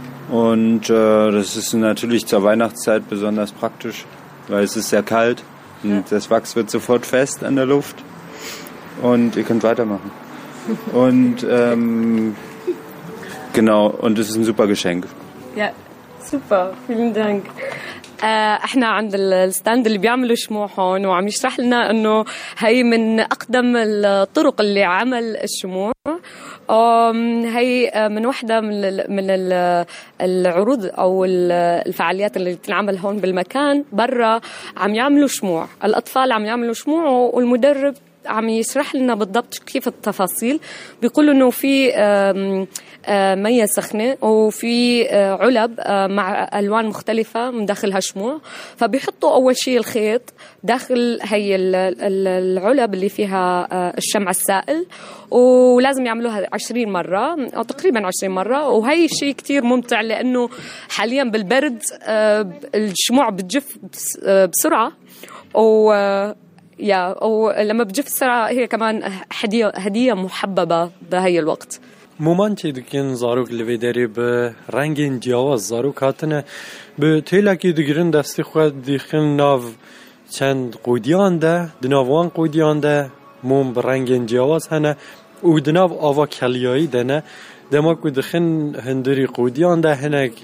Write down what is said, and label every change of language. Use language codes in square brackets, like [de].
[de] Und das ist natürlich zur Weihnachtszeit besonders praktisch, weil es ist sehr kalt und das Wachs wird sofort fest an der Luft und ihr könnt weitermachen. Und genau, und es ist ein super Geschenk. Ja, super, vielen Dank. [ar] احنا عند الستاند اللي بيعملوا شموع هون وعم يشرح لنا انه هي من اقدم الطرق اللي عمل الشموع هي من واحدة من العروض او الفعاليات اللي بتنعمل هون بالمكان برا عم يعملوا شموع الاطفال عم يعملوا شموع والمدرب عم يشرح لنا بالضبط كيف التفاصيل بيقولوا انه في مية سخنة وفي علب مع ألوان مختلفة من داخلها شموع فبيحطوا أول شيء الخيط داخل هي العلب اللي فيها الشمع السائل ولازم يعملوها 20 مرة أو تقريبا 20 مرة وهي شيء كتير ممتع لأنه حاليا بالبرد الشموع بتجف بسرعة ولما بتجف بسرعة هي كمان هدية محببة بهاي الوقت [ku] مومان چه دکن زاروک لوی داری به رنگین جاواز زاروک هاتنه به تیلکی دگرین دستی خواهد دیخن ناو چند قودیان ده دناوان قودیان ده موم به رنگین جاواز هنه او دناو آوا کلیایی ده نه دماکو دخن هندری قودیان ده هنه